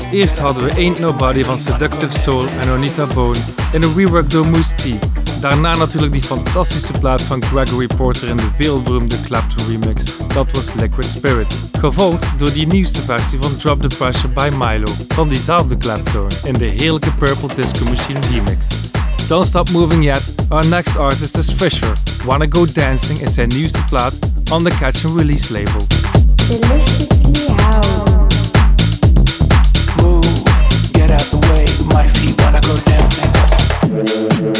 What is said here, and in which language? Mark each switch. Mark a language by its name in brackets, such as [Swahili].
[Dutch] Eerst hadden we Ain't Nobody van Seductive Soul en Onita Bone in een rework door Moose T. Daarna natuurlijk die fantastische plaat van Gregory Porter in de wereldberoemde Clapton remix, dat was Liquid Spirit. Gevolgd door die nieuwste versie van Drop the Pressure by Milo van diezelfde Clapton in de heerlijke Purple Disco Machine remix. [English] Don't Stop Moving Yet, our next artist is Fisher. Wanna Go Dancing [Dutch] is zijn nieuwste plaat [English] on the Catch and Release label. Deliciously House. Move, get out the way, my feet wanna go dancing.